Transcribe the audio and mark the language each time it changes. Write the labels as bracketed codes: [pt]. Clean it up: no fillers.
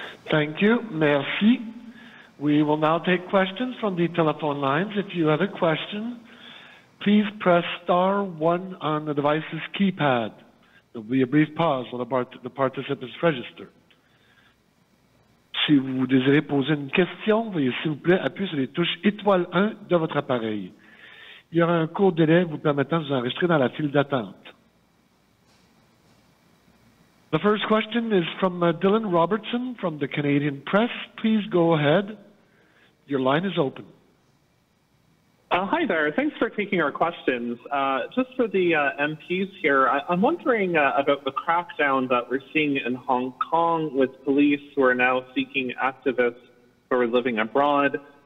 [en] Thank you. Merci. We will now take questions from the telephone lines. If you have a question, please press star 1 on the device's keypad. There will be a brief pause while the participants register. [fr] Si vous désirez poser une question, veuillez s'il vous plaît appuyer sur les touches étoile 1 de votre appareil. Il y aura un court délai vous permettant de vous enregistrer dans la file d'attente. [en] The first question is from Dylan Robertson from the Canadian Press. Please go ahead. Your line is open. Hi there. Thanks for taking our questions. Just for the MPs here, I'm wondering about the crackdown that we're seeing in Hong Kong with police who are now seeking activists who are living abroad.